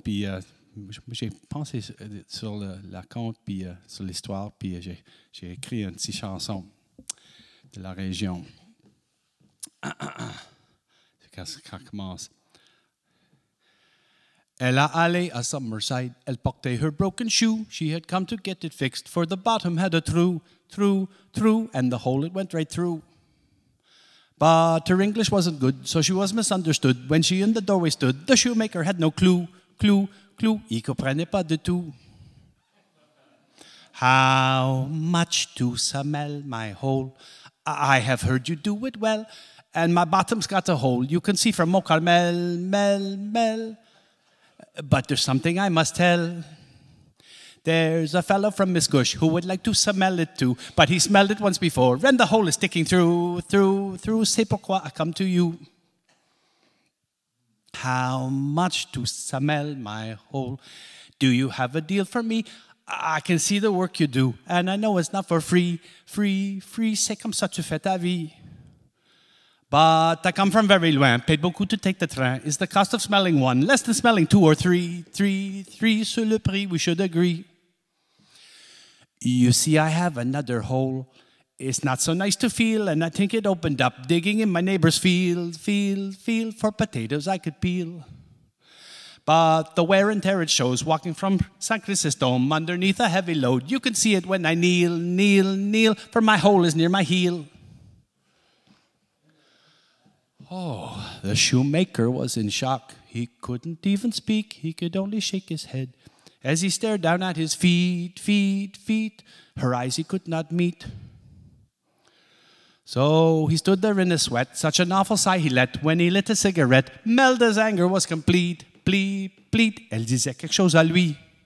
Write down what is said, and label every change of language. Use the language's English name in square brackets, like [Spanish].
[French] Puis j'ai pensé sur la compte, puis sur l'histoire, puis j'ai écrit une petite chanson de la région. C'est quand ça commence. Elle a allé à Summerside, elle portait [English] her broken shoe. She had come to get it fixed, for the bottom had a [French] trou, [English] and the hole, it went right through. But her English wasn't good, so she was misunderstood. When she in the doorway stood, the shoemaker had no clue, [French] il comprenait pas de tout. [English] How much to smell my hole? I have heard you do it well, and my bottom's got a hole. You can see from Mokarmel, mel. But there's something I must tell. There's a fellow from Miss Gush who would like to smell it too, but he smelled it once before, and the hole is sticking through. [French] C'est pourquoi [English] I come to you. How much to smell my hole? Do you have a deal for me? I can see the work you do, and I know it's not for free. [French] C'est comme ça tu fais ta vie. [English] But I come from very [French] loin, [English] paid [French] beaucoup [English] to take the train. Is the cost of smelling one less than smelling two or three? Three [French] sur le prix, [English] we should agree. You see, I have another hole. It's not so nice to feel, and I think it opened up. Digging in my neighbor's field, for potatoes I could peel. But the wear and tear it shows, walking from San Chrysostom underneath a heavy load. You can see it when I kneel, for my hole is near my heel. Oh, the shoemaker was in shock. He couldn't even speak, he could only shake his head. As he stared down at his feet, her eyes he could not meet. So he stood there in a sweat, such an awful sigh he let. When he lit a cigarette, Melda's anger was complete. [French] Pleat, elle disait quelque chose à lui.